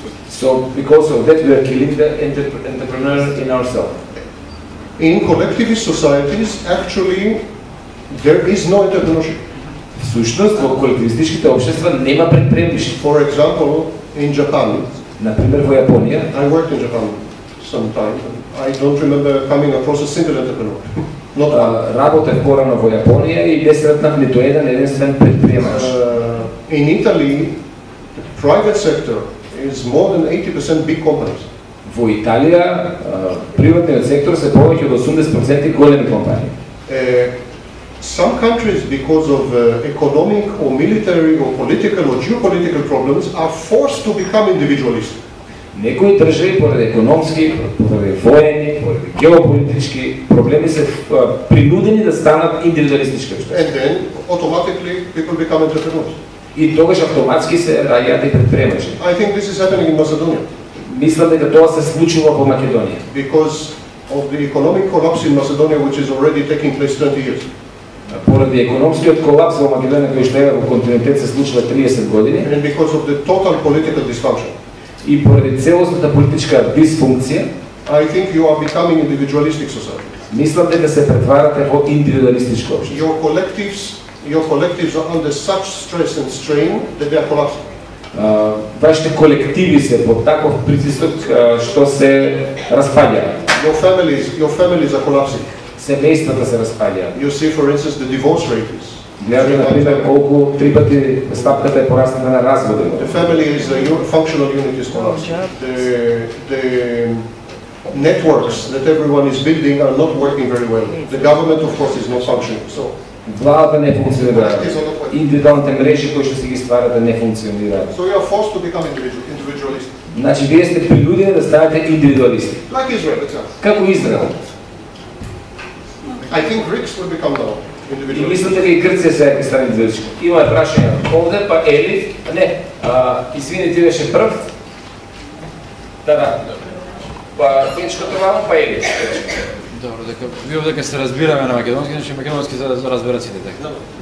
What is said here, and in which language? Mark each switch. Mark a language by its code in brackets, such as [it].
[en] So, because of that, we are killing the entrepreneurs in ourselves. In collectivist societies, actually, there is no entrepreneurship. [mk] Всушност во колективистичките општества нема предприемничество. [en] For example, in Japan. [mk] На пример во Јапонија. [en] I worked in Japan some time. I don't remember coming across a single entrepreneur. Not one. [mk] Работев порано во Јапонија и не сретнав ниту еден единствен предприемач. [en] In Italy, the private sector is more than 80% big companies. [mk] Во Италија, приватниот сектор се повеќе од 80% големи компании. [en] Some countries, because of economic or military or political or geopolitical problems, are forced to become individualist. [mk] Некои држави поради економски, поради воени, поради геополитички проблеми се принудени да станат индивидуалистички. [en] And then, automatically, people become entrepreneurs. [mk] И тогаш автоматски се раѓаат и предприемачи. [en] I think this is happening in Macedonia. [mk] Мислам дека тоа се случува во Македонија. [en] Because of the economic collapse in Macedonia, which is already taking place 20 years. [mk] Поради економскиот колапс во Македонија кој што е во континентот се случува 30 години. [en] And because of the total political dysfunction. [mk] И поради целосната политичка дисфункција. [en] I think you are becoming individualistic society. [mk] Мислам дека се претварате во индивидуалистичко општество. [en] Your collectives are under such stress and strain that they are collapsing. [mk] вашите колективи се под таков притисок што се распаѓа. [en] Your families are collapsing. [mk] Семејствата се распаѓа. [en] You see for instance the divorce rate is. [mk] Гледаме на пример колку трипати стапката е порасна на разводи. [en] The family is a functional unit is collapsing. The networks that everyone is building are not working very well. The government of course is not functioning. So [mk] Владата не функционира. Индивидуалните мрежи кои што се ги стварат не функционираат. [en] So you are forced to become individualist. [mk] Значи вие сте принудени да ставате индивидуалисти. [en] Like Israel, [mk] Како Израел? [en] I think Greeks will become the individualist. [mk] И мислите ли Грција се ќе стане индивидуалистка? Има прашања. Овде па Ели, не, извини, ти беше прв. Да. Па Печка тоа, па Ели. Добро, дека вио дека се разбираме на македонски, значи македонски се разбират сите така.